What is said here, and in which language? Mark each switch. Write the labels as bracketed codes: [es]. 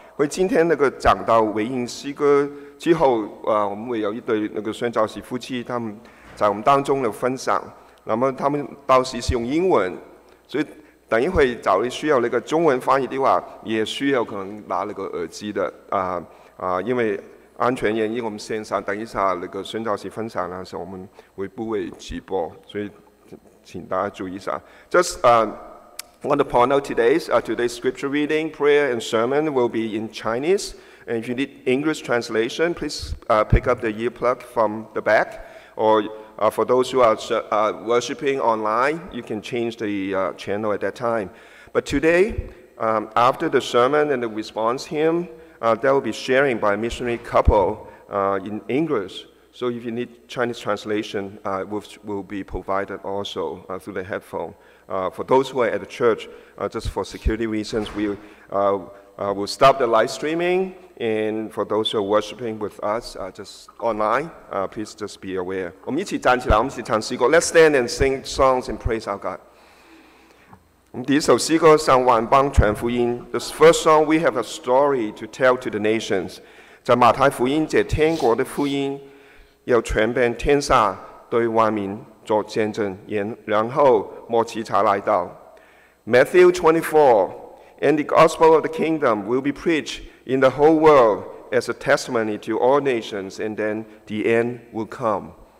[zh] 会今天那个讲到回应诗歌之后，我们会有一对那个宣教士夫妻，他们在我们当中的分享，那么他们到时是用英文，所以等一会找需要那个中文翻译的话，也需要可能拿那个耳机的因为。安全原因，我们线上等一下那个宣教士分享的时候，我们会不会直播，所以请大家注意一下。 [en] Just want to point out today's scripture reading, prayer, and sermon will be in Chinese. And if you need English translation, please pick up the earplug from the back. Or for those who are worshiping online, you can change the channel at that time. But today, after the sermon and the response hymn,that will be sharing by a missionary couple in English. So if you need Chinese translation, which will be provided also through the headphone. For those who are at the church, just for security reasons, we will stop the live streaming. And for those who are worshiping with us just online, please just be aware. [zh] 我们一起站起来，我们一起唱诗歌。 [en] Let's stand and sing songs and praise our God. [zh] 第一首诗歌向万邦传福音。 [en] The first song, we have a story to tell to the nations. [zh] 在马太福音借天国的福音，要传遍天下，对万民做见证，然后末期才来到。 [en] Matthew 24, and the gospel of the kingdom will be preached in the whole world as a testimony to all nations, and then the end will come.